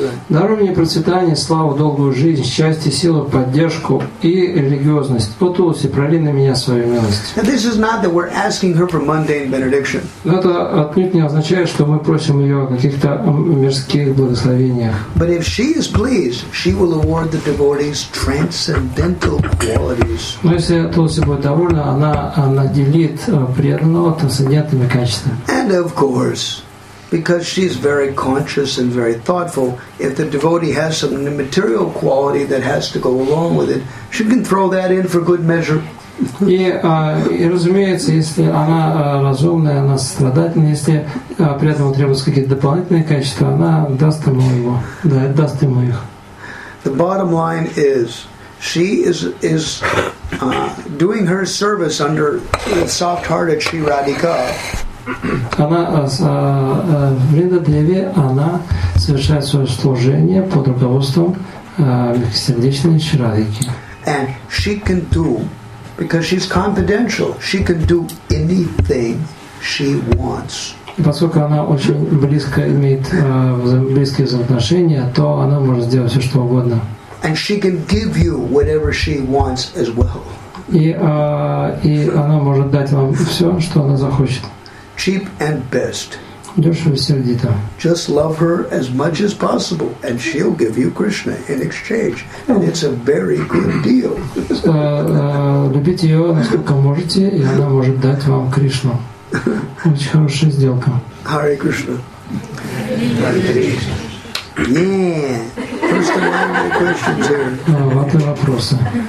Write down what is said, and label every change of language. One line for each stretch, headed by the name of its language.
Russian: Даруй мне процветание, славу, долгую жизнь, счастье, силу, поддержку и религиозность. О, Тулси, проли на меня свою милость. Это отнюдь не означает, что мы просим ее о каких-то мирских благословениях.
English: But if she is pleased, she will award the devotees transcendental qualities.
Russian: Но если Тулси будет довольна, она наделит преданного трансцендентными качествами.
English: And of course, because she's very conscious and very thoughtful, if the devotee has some material quality that has to go along with it, she can throw that in for good measure.
Russian: И разумеется, если она разумная, она сострадательная, если при этом требуются какие-то дополнительные качества, она даст ему его, даст ему их.
English: The bottom line is, she is doing her service under the soft-hearted Sri Radhika.
Russian: Она Вринда Деви, она совершает свое служение под руководством сердечной Шри Радхики.
English: And she can do, because she's confidential, she can do anything she wants.
Russian: Поскольку она очень близко имеет близкие взаимоотношения, то она может сделать все что угодно.
English: And she can give you whatever she wants as well.
Russian: И она может дать вам все, что она захочет.
English: Cheap and best.
Russian: Дешево и сердито.
English: Just love her as much as possible, and she'll give you Krishna in exchange. And it's a very good deal.
Russian: Любите ее насколько можете, и она может дать вам Кришну. Очень хорошая сделка.
English: Hare Krishna. Yeah. First of all, my questions here.
Russian: Вот и вопросы.